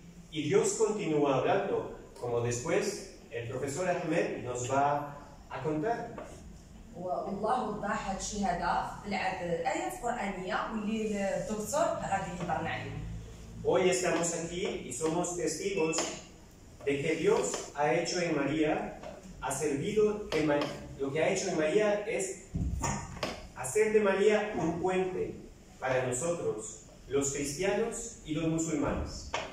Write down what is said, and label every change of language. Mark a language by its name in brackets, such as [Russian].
[Spanish] Y Dios continúa hablando, como después el profesor Ahmed nos va a contar. [Arabic] والله وضح هذا الشيء هذا في العهد الايات القرانيه واللي الدكتور غادي يهضرنا عليه. [Spanish] Hoy estamos aquí y somos testigos de que Dios ha hecho en María ha servido en María. Lo que ha hecho en María es hacer de María un puente para nosotros los cristianos y los musulmanes.